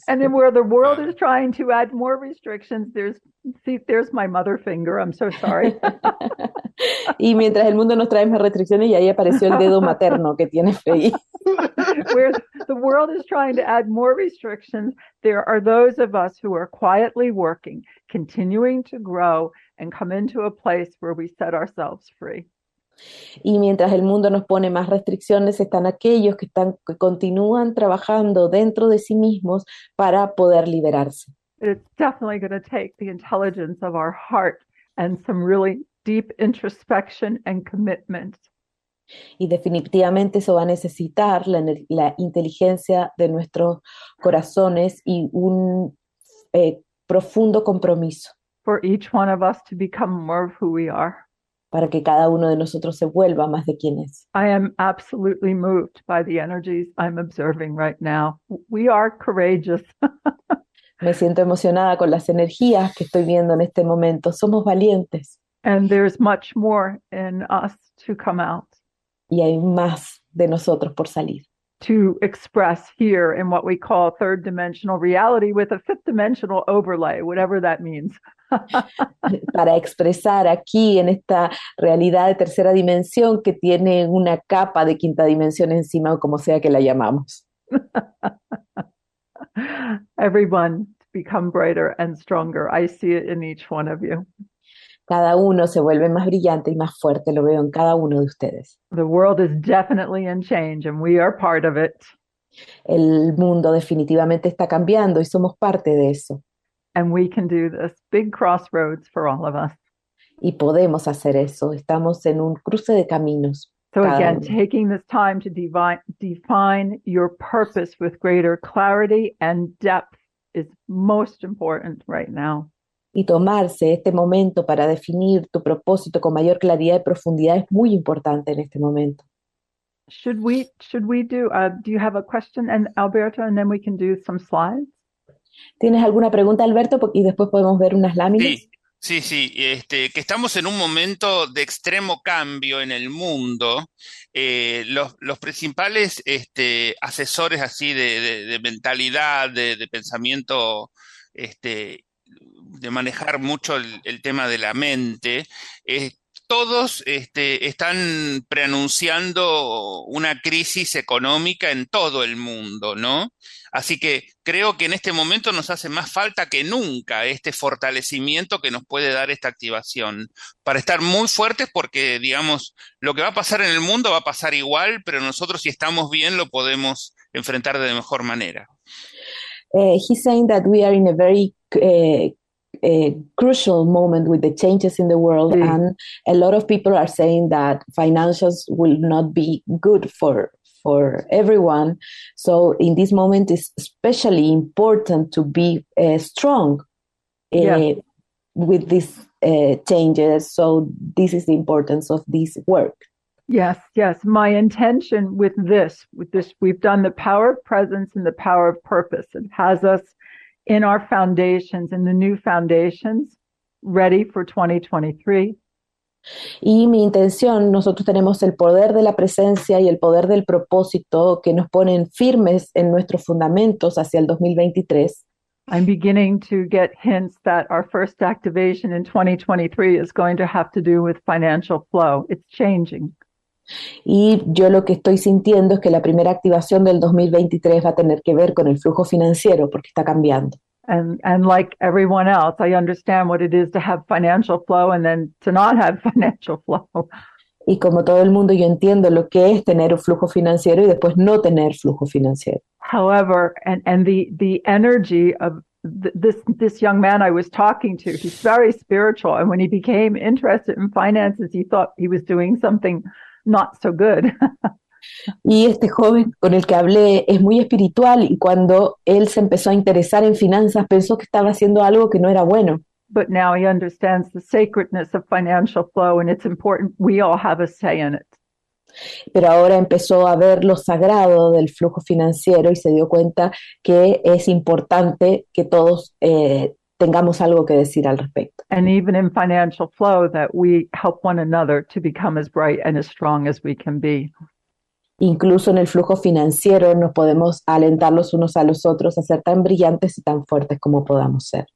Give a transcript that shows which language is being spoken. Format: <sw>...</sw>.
<en>And then where the world is trying to add more restrictions, there's my mother finger. I'm so sorry.</en> <es>Y mientras el mundo nos trae más restricciones, y ahí apareció el dedo materno que tiene Fei.</es> <en>Where the world is trying to add more restrictions, there are those of us who are quietly working, continuing to grow and come into a place where we set ourselves free.</en> <es>Y mientras el mundo nos pone más restricciones, están aquellos que están que continúan trabajando dentro de sí mismos para poder liberarse.</es> <en>It's definitely going to take the intelligence of our heart and some really deep introspection and commitment.</en> <es>Y definitivamente eso va a necesitar la inteligencia de nuestros corazones y un profundo compromiso</es> <en>For each one of us to become more of who we are.</en> <es>para que cada uno de nosotros se vuelva más de quien es.</es> <en>I am absolutely moved by the energies I'm observing right now. We are courageous.</en> <es>Me siento emocionada con las energías que estoy viendo en este momento. Somos valientes.</es> <en>And there's much more in us to come out.</en> <es>Y hay más de nosotros por salir.</es> <en>To express here in what we call third dimensional reality with a fifth dimensional overlay, whatever that means.</en> <es>Para expresar aquí en esta realidad de tercera dimensión que tiene una capa de quinta dimensión encima o como sea que la llamamos.</es> <en>Everyone become brighter and stronger. I see it in each one of you.</en> <es>Cada uno se vuelve más brillante y más fuerte, lo veo en cada uno de ustedes.</es> <en>The world is definitely in change and we are part of it.</en> <es>El mundo definitivamente está cambiando y somos parte de eso.</es> <en>And we can do this big crossroads for all of us.</en> <es>Y podemos hacer eso. Estamos en un cruce de caminos,</es> <en>So</en> <es>cada</es> <en>again,</en> <es>uno.</es> <en>taking this time to define your purpose with greater clarity and depth is most important right now.</en> <es>Y tomarse este momento para definir tu propósito con mayor claridad y profundidad es muy importante en este momento.</es> <en>Should we do? Do you have a question, and Alberto, and then we can do some slides.</en> <es>¿Tienes alguna pregunta, Alberto? Y después podemos ver unas láminas. Sí. Sí, sí, que estamos en un momento de extremo cambio en el mundo. Los principales asesores así de mentalidad, de pensamiento, de manejar mucho el tema de la mente, todos están preanunciando una crisis económica en todo el mundo, ¿no? Así que creo que en este momento nos hace más falta que nunca este fortalecimiento que nos puede dar esta activación para estar muy fuertes porque, digamos, lo que va a pasar en el mundo va a pasar igual, pero nosotros si estamos bien lo podemos enfrentar de mejor manera.</es> <en>He's saying that we are in a very a crucial moment with the changes in the world, mm. and a lot of people are saying that financials will not be good for everyone. So in this moment, it's especially important to be strong with these changes. So this is the importance of this work. Yes, yes. My intention with this, we've done the power of presence and the power of purpose. It has us in our foundations, in the new foundations, ready for 2023.</en> <es>Y mi intención, nosotros tenemos el poder de la presencia y el poder del propósito que nos ponen firmes en nuestros fundamentos hacia el 2023.</es> <en>I'm beginning to get hints that our first activation in 2023 is going to have to do with financial flow. It's changing.</en> <es>Y yo lo que estoy sintiendo es que la primera activación del 2023 va a tener que ver con el flujo financiero porque está cambiando.</es> <en>And like everyone else, I understand what it is to have financial flow and then to not have financial flow.</en> <es>Y como todo el mundo, yo entiendo lo que es tener un flujo financiero y después no tener flujo financiero.</es> <en>However, and the energy of this young man I was talking to, he's very spiritual, and when he became interested in finances, he thought he was doing something not so good.</en> <es>Y este joven con el que hablé es muy espiritual y cuando él se empezó a interesar en finanzas pensó que estaba haciendo algo que no era bueno.</es> <en>But now he understands the sacredness of financial flow and it's important we all have a say in it.</en> <es>Pero ahora empezó a ver lo sagrado del flujo financiero y se dio cuenta que es importante que todos tengamos algo que decir al respecto.</es> <en>And even in financial flow, that we help one another to become as bright and as strong as we can be.</en> <es>Incluso en el flujo financiero nos podemos alentar los unos a los otros a ser tan brillantes y tan fuertes como podamos ser.</es>